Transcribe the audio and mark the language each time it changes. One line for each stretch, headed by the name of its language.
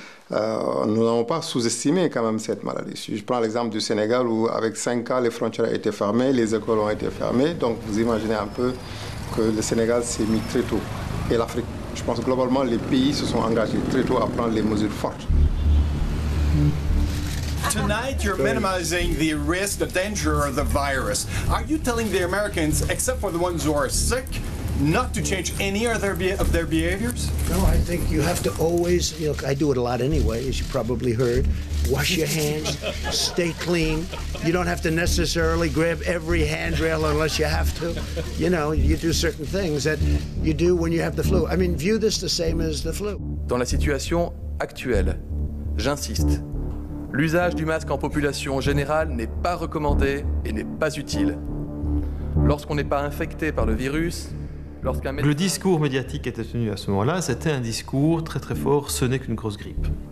French: Nous n'avons pas sous-estimé quand même cette maladie. Je prends l'exemple du Sénégal où avec 5 cas, les frontières ont été fermées, les écoles ont été fermées. Donc vous imaginez un peu que le Sénégal s'est mis très tôt. Et l'Afrique, je pense que globalement, les pays se sont engagés très tôt à prendre les mesures fortes.
English: Tonight, you're minimizing the risk, the danger of the virus. Are you telling the Americans, except for the ones who are sick, not to change any of their behaviors? No, I think you have to always, you know, I do it a lot anyway, as you probably heard, wash your hands, stay clean. You don't have to necessarily grab every handrail unless you have to. You know, you do certain things that you do when you have the flu. I mean, view this the same as the flu.
French: Dans la situation actuelle, j'insiste, l'usage du masque en population générale n'est pas recommandé et n'est pas utile. Lorsqu'on n'est pas infecté par le virus, lorsqu'un médecin... Le discours médiatique était tenu à ce moment-là, c'était un discours très très fort, ce n'est qu'une grosse grippe.